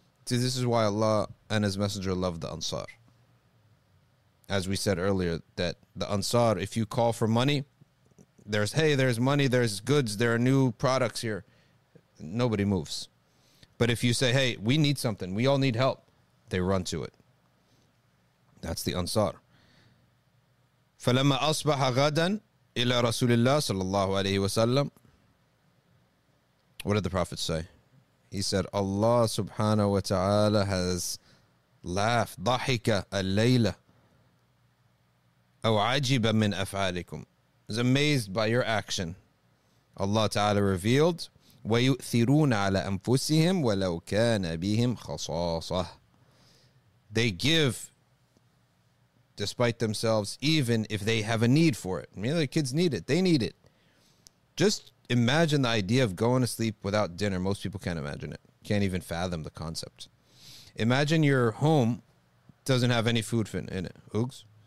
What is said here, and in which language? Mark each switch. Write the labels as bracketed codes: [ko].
[en] See, this is why Allah and His Messenger love the Ansar. As we said earlier, that the Ansar, if you call for money, there's money, there's goods, there are new products here. Nobody moves. But if you say, hey, we need something, we all need help, they run to it. That's the Ansar. [ar] فَلَمَّا أَصْبَحَ غَدًا إلى رسول الله صلى الله عليه وسلم. [en] What did the Prophet say? He said, Allah subhanahu wa ta'ala has laughed. [ar] ضحك الليلة أو عجب من أفعالكم. [en] Is amazed by your action. Allah ta'ala revealed, [ar] ويؤثرون على أنفسهم ولو كان بهم خصاصة. [en] They give despite themselves, even if they have a need for it. Maybe the kids need it. They need it. Just imagine the idea of going to sleep without dinner. Most people can't imagine it. Can't even fathom the concept. Imagine your home doesn't have any food in it. Oogs.